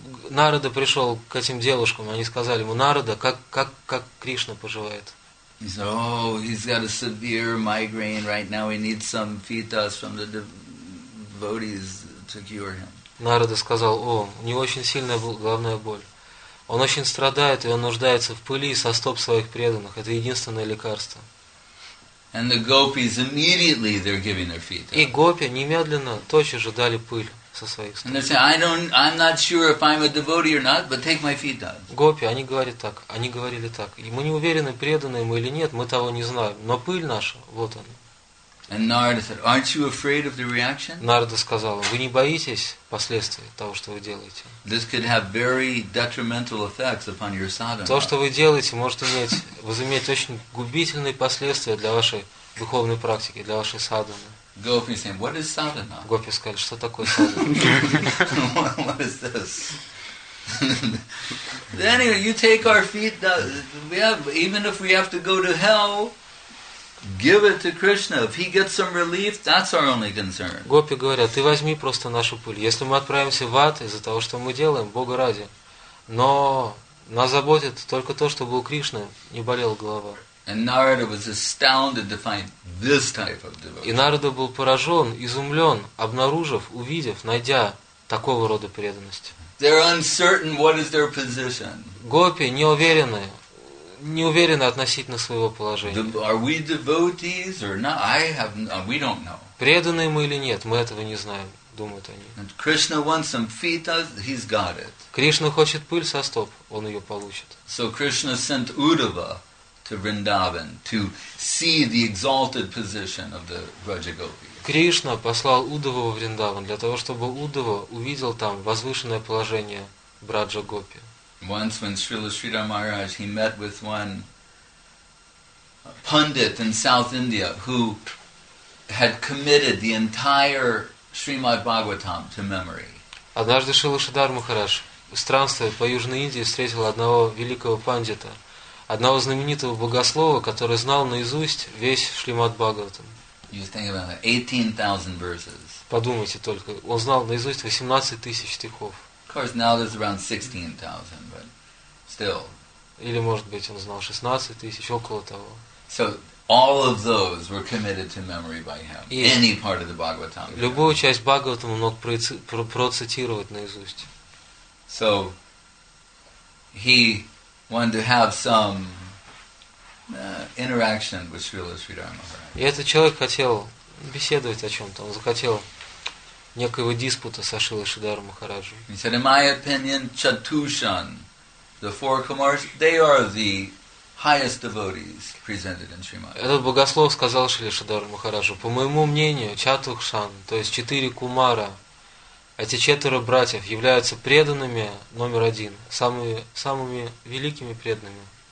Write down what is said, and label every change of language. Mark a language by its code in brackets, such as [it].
[ru] Нарада пришел к этим девушкам, они сказали ему: Нарада, как Кришна поживает? [en] He said, oh, he's got a severe migraine right now. He needs some fetas from the devotees to cure him. [ru] Нарада сказал: о, у него очень сильная головная боль. Он очень страдает, и он нуждается в пыли со стоп своих преданных. Это единственное лекарство. [en] And the gopis immediately they're giving their feet. [ru] И гопи немедленно тотчас же дали пыль со своих стоп. [en] And they say, I'm not sure if I'm a devotee or not, but take my feet out. [ru] Гопи, они говорили так. И мы не уверены, преданные мы или нет, мы того не знаем. Но пыль наша, вот она. [en] And Narada said, aren't you afraid of the reaction? [ru] Нарада сказала: вы не боитесь последствий того, что вы делаете? [en] This could have very detrimental effects upon your sadhana. [ru] То, что вы делаете, может возыметь очень губительные последствия для вашей духовной практики, для вашей садханы. [en] Gopi said, what is sadhana? [ru] Гопи сказали: что такое садхана? [en] What is this? Anyway, you take our feet. Even if we have to go to hell, give it to Krishna. If he gets some relief, that's our only concern. [ru] Гопи говорят: ты возьми просто нашу пыль. Если мы отправимся в ад из-за того, что мы делаем, Бога ради. Но нас заботит только то, чтобы у Кришны не болела голова. [en] And Narada was astounded to find this type of devotee. [ru] И Нарада был поражен, изумлен, обнаружив, увидев, найдя такого рода преданность. [en] They're uncertain what is their position. [ru] Гопи неуверенные. Не уверены относительно своего положения. [en] Are we devotees or not? We don't know. [ru] Преданные мы или нет, мы этого не знаем, думают они. [en] And Krishna wants some feet, he's got it. [ru] Кришна хочет пыль со стоп, он ее получит. [en] So Krishna sent Uddhava to Vrindavan to see the exalted position of the Vrajagopi. [ru] Кришна послал Уддхаву в Вриндаван для того, чтобы Уддхава увидел там возвышенное положение Враджа-гопи. [en] Once when Srila Sridhar Maharaj, he met with one pundit in South India who had committed the entire Srimad Bhagavatam to memory. [ru] Однажды Шрила Шридхар Махарадж, странствуя по Южной Индии, встретил одного великого пандита, одного знаменитого богослова, который знал наизусть весь Шримад Бхагаватам. [en] You think about 18,000 verses. [ru] Подумайте только, он знал наизусть 18,000 стихов. [en] Of course, now there's around 16,000, but still. [ru] Или может быть он знал 16,000, около того. [en] So all of those were committed to memory by him. И any part of the Bhagavatam. [ru] Любую часть Бхагаватам он мог процитировать наизусть. [en] So he wanted to have some interaction with Srila Sridhar Maharaj. [ru] И этот человек хотел беседовать о чем-то. Он захотел некоего диспута со Шрилой Шридхар Махараджем. [en] He said, in my opinion, Chatushan, the four Kumars, they are the highest devotees presented in Shrimad. [ru] Этот богослов сказал Шриле Шридхару Махараджу: по моему мнению, Чатушан, то есть четыре кумара, эти четверо братьев являются преданными номер один, самыми великими преданными.